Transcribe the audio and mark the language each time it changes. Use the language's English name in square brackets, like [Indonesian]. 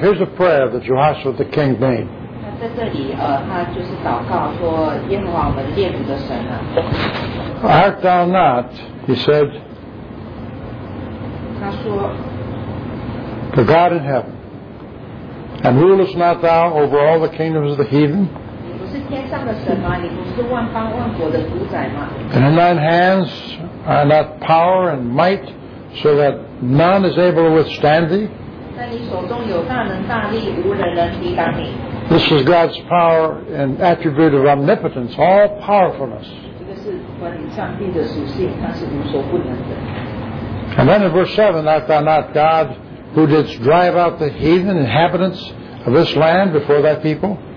[English] Here's a prayer that Jehoshaphat the king made. Art thou not, he said, the God in heaven, and rulest not thou over all the kingdoms of the heathen? And in thine hands are not power and might, so that None is able to withstand thee. [Chinese] 在你手中有大能大力，无人能抵挡你。 [English] This is God's power and attribute of omnipotence, all powerfulness. [Chinese] 这个是关于上帝的属性，他是无所不能的。 [English] And then in verse 7, art thou not God who didst drive out the heathen inhabitants of this land before thy people?